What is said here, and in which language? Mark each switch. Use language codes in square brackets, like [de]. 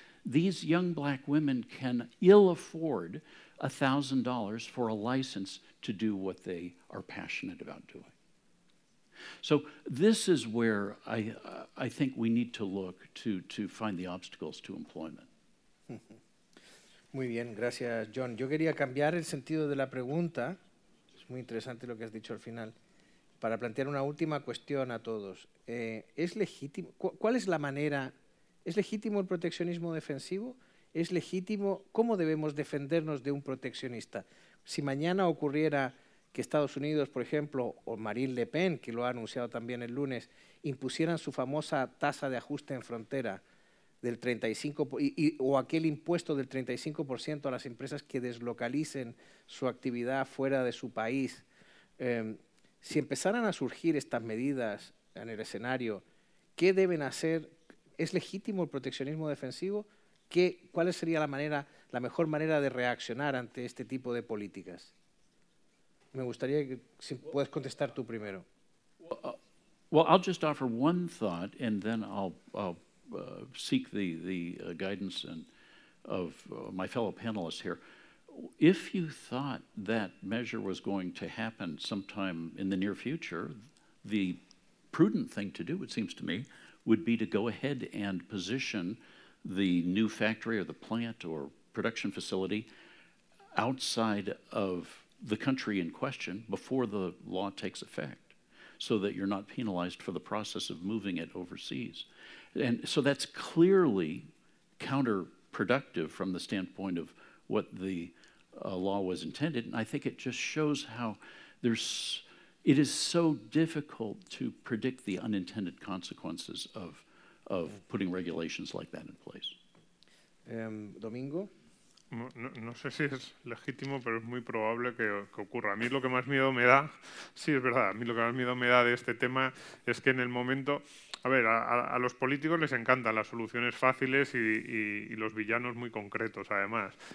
[en] These young black women can ill afford $1,000 for a license to do what they are passionate about doing. So this is where I think we need to look to find the obstacles to employment. [es] Muy bien, gracias, John. Yo quería cambiar el sentido de la pregunta. Es muy interesante lo que has dicho al final. Para plantear una última cuestión a todos. ¿Es legítimo? ¿Cuál es la manera? ¿Es legítimo el proteccionismo defensivo? ¿Es legítimo? ¿Cómo debemos defendernos de un proteccionista? Si mañana ocurriera que Estados Unidos, por ejemplo, o Marine Le Pen, que lo ha anunciado también el lunes, impusieran su famosa tasa de ajuste en frontera del 35% o aquel impuesto del 35% a las empresas que deslocalicen su actividad fuera de su país. Si empezaran a surgir estas medidas en el escenario, ¿qué deben hacer? ¿Es legítimo el proteccionismo defensivo? ¿Cuál sería la mejor manera de reaccionar ante este tipo de políticas? Me gustaría que, si puedes contestar tú primero. [en] Well, I'll just offer one thought, and then I'll seek the guidance of my fellow panelists here. If you thought that measure was going to happen sometime in the near future, the prudent thing to do, it seems to me, would be to go ahead and position the new factory or the plant or production facility outside of the country in question before the law takes effect, so that you're not penalized for the process of moving it overseas. And so that's clearly counterproductive from the standpoint of what the law was intended, and I think it just shows how it is so difficult to predict the unintended consequences of putting regulations like that in place. [es] Domingo. No sé si es legítimo, pero es muy probable que ocurra. A mí lo que más miedo me da, sí, es verdad, a mí lo que más miedo me da de este tema es que en el momento, a ver, a los políticos les encantan las soluciones fáciles y los villanos muy concretos, además.